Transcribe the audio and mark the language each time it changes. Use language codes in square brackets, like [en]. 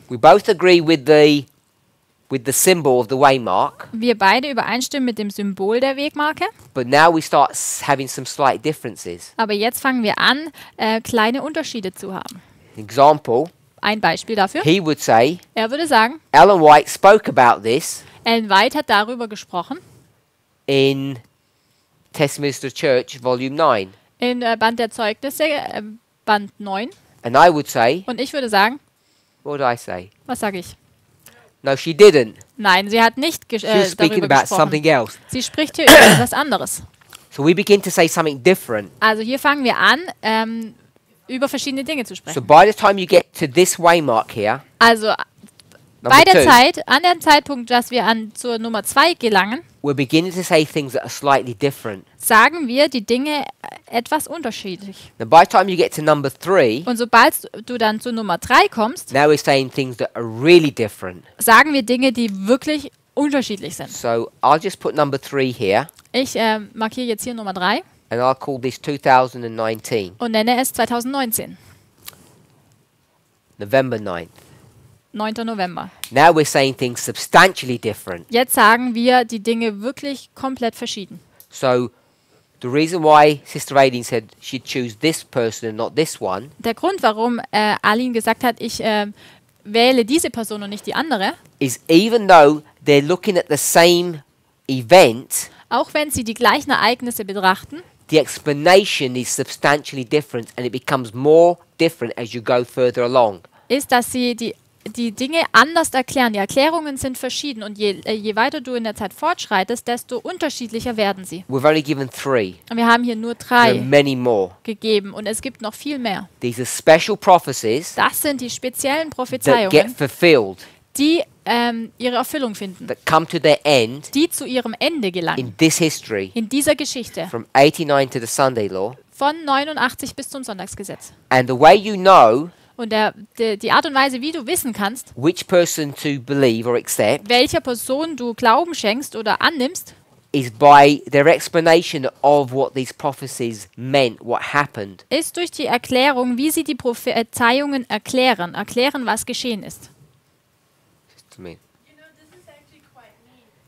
[en] We both agree with the symbol of the waymark. [de] Wir beide übereinstimmen mit dem Symbol der Wegmarke. [en] But now we start having some slight differences. [de] Aber jetzt fangen wir an, kleine Unterschiede zu haben. [en] Example. [de] Ein Beispiel dafür. [en] He would say. [de] Er würde sagen. [en] Ellen White spoke about this. [de] Ellen White hat darüber gesprochen. [en] In Testimonies of the Church, Volume 9. [de] In Band der Zeugnisse, Band 9. [en] And I would say. [de] Und ich würde sagen. [en] What would I say? [de] Was sage ich? [en] No, she didn't. [de] Nein, sie hat nicht darüber gesprochen. [en] About something else. [de] Sie spricht hier über etwas anderes. [en] So we begin to say something different. [de] Also hier fangen wir an, über verschiedene Dinge zu sprechen. [en] So by the time you get to this waymark here, [de] also bei der Zeit, an dem Zeitpunkt, dass wir zur Nummer 2 gelangen, [en] we're beginning to say things that are slightly different. [de] Sagen wir die Dinge etwas unterschiedlich. [en] Now by the time you get to number 3, [de] und sobald du dann zu Nummer 3 kommst, [en] now we're saying things that are really different. [de] Sagen wir Dinge, die wirklich unterschiedlich sind. [en] So I'll just put number 3 here. [de] Ich markiere jetzt hier Nummer 3. [en] And I'll call this 2019. [de] Und nenne es 2019. [en] November 9th. [de] 9. November. [en] Now we're saying things substantially different. [de] Jetzt sagen wir die Dinge wirklich komplett verschieden. [en] So, the reason why Sister Aileen said she'd choose this person and not this one. [de] Der Grund, warum Aileen gesagt hat, ich wähle diese Person und nicht die andere. [en] Is even though they're looking at the same event. [de] Auch wenn sie die gleichen Ereignisse betrachten. [en] The explanation is substantially different, and it becomes more different as you go further along. [de] Ist, dass sie die die Dinge anders erklären. Die Erklärungen sind verschieden und je weiter du in der Zeit fortschreitest, desto unterschiedlicher werden sie. [en] We've only given three. [de] Und wir haben hier nur drei [en] many more. [de] Gegeben und es gibt noch viel mehr. [en] These are special prophecies. [de] Das sind die speziellen Prophezeiungen, [en] that get fulfilled, [de] die ihre Erfüllung finden, [en] that come to their end, [de] die zu ihrem Ende gelangen, [en] in this history, [de] in dieser Geschichte, [en] from 89 to the Sunday law, [de] von 89 bis zum Sonntagsgesetz. [en] And the way you know, [de] und die Art und Weise, wie du wissen kannst, [en] which person to believe or accept, [de] welcher Person du Glauben schenkst oder annimmst, [en] is by their explanation of what these prophecies meant, what happened, [de] ist durch die Erklärung, wie sie die Prophezeiungen erklären, was geschehen ist. [en] To me. You know, this is actually quite mean.